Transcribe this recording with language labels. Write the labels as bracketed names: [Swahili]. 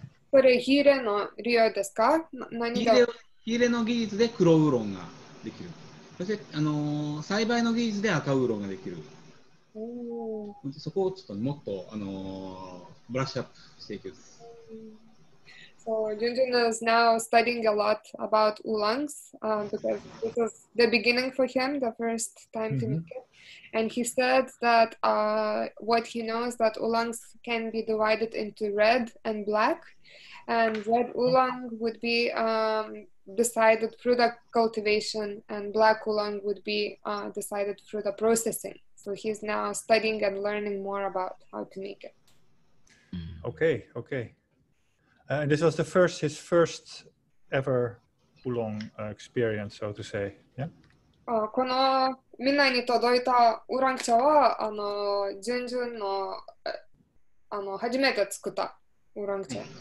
[Japanese] これ、火入れの理由ですか？火入れの技術で黒ウーロンができる。そして、栽培の技術で赤ウーロンができる。おそこをちょっともっと、ブラッシュアップしていきます。 [English] So Junjun is now studying a lot about oolongs because this is the beginning for him, the first time to make it. And he said that what he knows that oolongs can be divided into red and black. And red oolong would be decided through the cultivation and black oolong would be decided through the processing. So he's now studying and learning more about how to make it. Okay. And this was his first ever oolong experience, so to say. Yeah. [Japanese] この皆に届いたウラン茶は、ジュンジュンの、初めて作ったウラン茶。